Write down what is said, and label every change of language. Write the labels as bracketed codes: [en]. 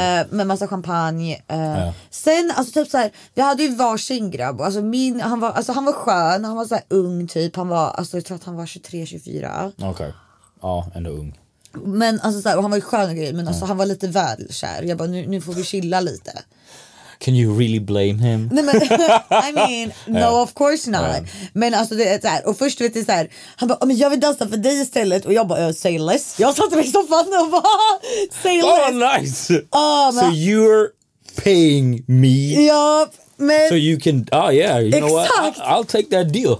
[sv] Med massa champagne. Sen, alltså typ så här, vi hade ju varsin grabb. Alltså min, han var skön. Han var så här ung typ. Han var, alltså jag tror att han var 23-24. Okej. Ja, ändå ung. Men alltså så här, och han var ju skön och grej. Men alltså han var lite väl kär. Jag bara, nu får vi chilla lite. [en] Can you really blame him? [sv] Nej, men, [en] I mean, no, of course not. Yeah. [sv] Men alltså det är så här, och först vet du så här, han bara, men jag vill dansa för dig istället. Och jag bara, [en] say less. [sv] Jag satt mig i soffan och bara, say less. [en] Oh, nice. Oh, so you're paying me? [sv] Ja, men... [en] So you can, oh yeah, you exakt. Know what? I'll take that deal.